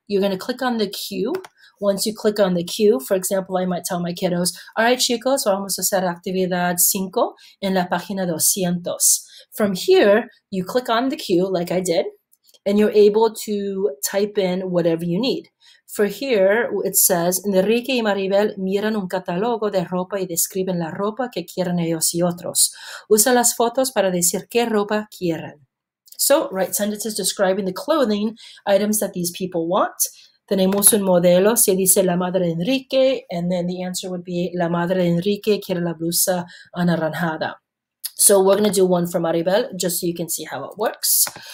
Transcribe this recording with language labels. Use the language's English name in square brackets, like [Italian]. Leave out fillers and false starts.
[English] You're going to click on the cue. Once you click on the cue, for example, I might tell my kiddos, all right, [Spanish] chicos, vamos a hacer actividad 5 en la página 200. [English] From here, you click on the cue like I did, and you're able to type in whatever you need. For here, it says, [Spanish] Enrique y Maribel miran un catálogo de ropa y describen la ropa que quieren ellos y otros. Usa las fotos para decir qué ropa quieren. [English] So, write sentences describing the clothing items that these people want. [Spanish] Tenemos un modelo, se dice la madre de Enrique, [English] and then the answer would be, [Spanish] la madre de Enrique quiere la blusa anaranjada. [English] So we're going to do one for Maribel, just so you can see how it works.